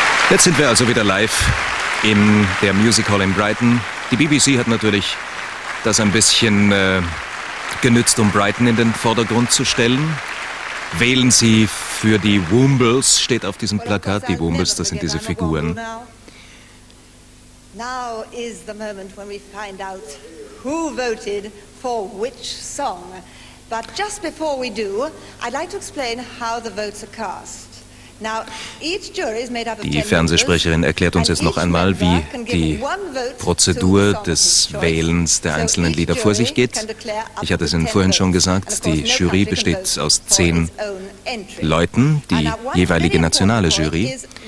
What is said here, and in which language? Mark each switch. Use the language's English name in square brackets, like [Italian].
[German] Jetzt sind wir also wieder live in der Music Hall in Brighton. Die BBC hat natürlich das ein bisschen genützt, um Brighton in den Vordergrund zu stellen. Wählen Sie für die Wombles, steht auf diesem Plakat. Die Wombles, das sind diese Figuren. [English] Now is the moment when we find out who voted for which song. But just before we do, I'd like to explain how the votes are cast. [German] Die Fernsehsprecherin erklärt uns jetzt noch einmal, wie die Prozedur des Wählens der einzelnen Lieder vor sich geht. Ich hatte es Ihnen vorhin schon gesagt, die Jury besteht aus 10 Leuten, die jeweilige nationale Jury.